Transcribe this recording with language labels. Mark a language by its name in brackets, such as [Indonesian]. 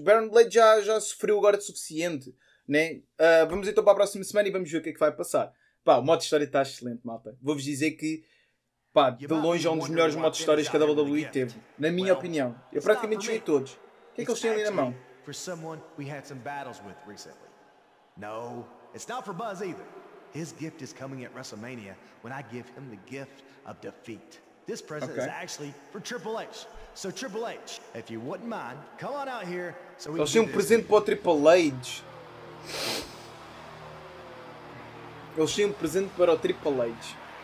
[Portuguese] O Baron Blade já sofreu agora o suficiente, né? Vamos então para a próxima semana e vamos ver o que é que vai passar. Pá, o modo de história está excelente, malta. Vou-vos dizer que, pá, de longe é um dos melhores modos de histórias que a WWE teve. Na minha opinião. Eu praticamente joguei todos. O que é que eles têm ali na mão? [English] For someone we had some battles with recently. No, it's not for Buzz either. His gift is coming at WrestleMania when I give him the gift of defeat. This present okay. is actually for Triple H. So Triple H, if you wouldn't mind, come on out here so we can. [Portuguese] Eles têm um presente para o Triple H. Eles têm um presente para o Triple H.